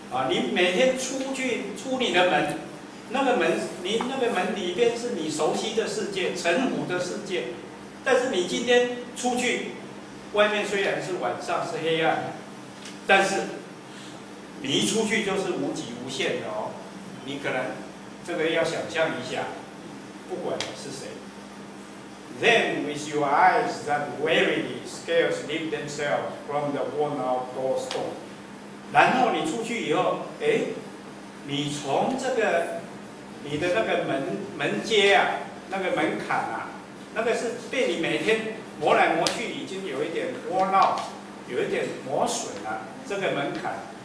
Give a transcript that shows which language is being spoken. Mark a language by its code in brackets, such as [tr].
[zh] 你每天出去出你的门。那个门，你那个门里边是你熟悉的世界，尘土的世界。但是你今天出去，外面虽然是晚上是黑暗，但是你一出去就是无极无限的哦。你可能这个要想象一下，不管是谁， [en] Then with your eyes that wearily scales lift themselves from the worn out doorstone. [zh] 然后你出去以后，哎，你从这个你的那个门阶啊，那个门槛啊，那个是被你每天磨来磨去，已经有一点 [en] worn out， [zh] 有一点磨损了、啊、这个门槛。